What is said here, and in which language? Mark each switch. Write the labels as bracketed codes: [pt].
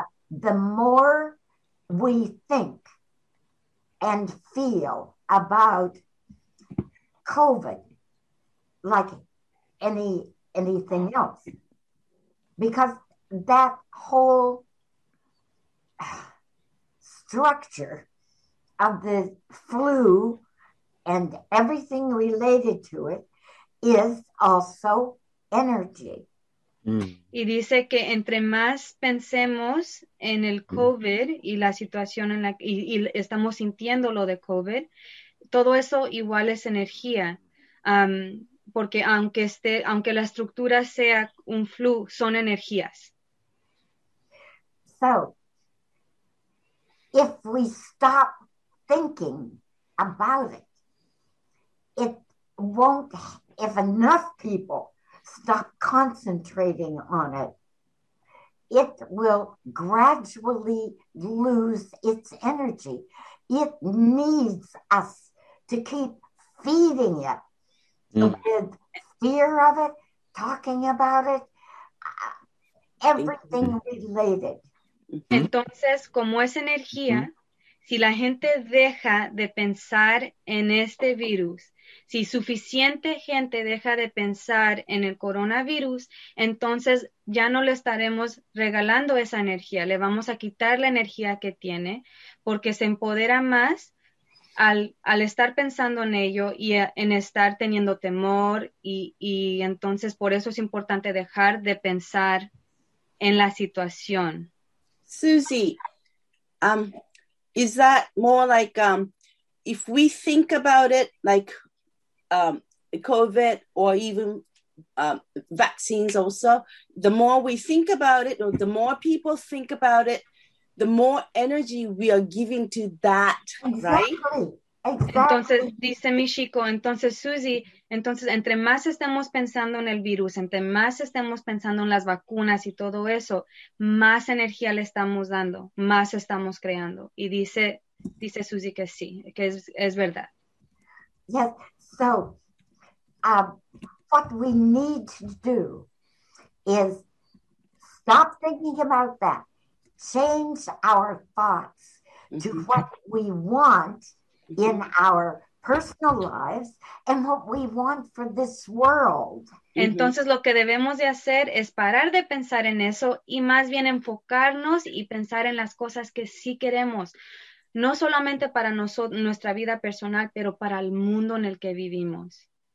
[en] The more we think and feel about COVID, like anything else, because that whole structure of the flu and everything related to it is also energy. [es] Y dice que entre más pensemos en el COVID y la situación en la que y estamos sintiendo lo de COVID, todo eso igual es energía. Porque aunque la estructura sea un flu, son energías. [en] So, if we stop thinking about it, it won't, if enough people stop concentrating on it, it will gradually lose its energy. It needs us to keep feeding it. With fear of it, talking about it, everything related. [es] Entonces, como es energía, si la gente deja de pensar en este virus, si suficiente gente deja de pensar en el coronavirus, entonces ya no le estaremos regalando esa energía, le vamos a quitar la energía que tiene, porque se empodera más al estar pensando en ello y en estar teniendo temor, y entonces por eso es importante dejar de pensar en la situación. [en] Susie, is that more like if we think about it, like COVID or even vaccines also, the more we think about it or the more people think about it, the more energy we are giving to that, exactly. Right? Exactly. [es] Entonces, dice mi chico, entonces, Susie, entonces, entre más estemos pensando en el virus, entre más estemos pensando en las vacunas y todo eso, más energía le estamos dando, más estamos creando. Y dice Susie que sí, que es verdad. [en] Yes, so, what we need to do is stop thinking about that. Change our thoughts to what we want in our personal lives and what we want for this world. [es] Entonces, lo que debemos de hacer es parar de pensar en eso y más bien enfocarnos y pensar en las cosas que sí queremos, no solamente para nuestra vida personal, pero para el mundo en el que vivimos.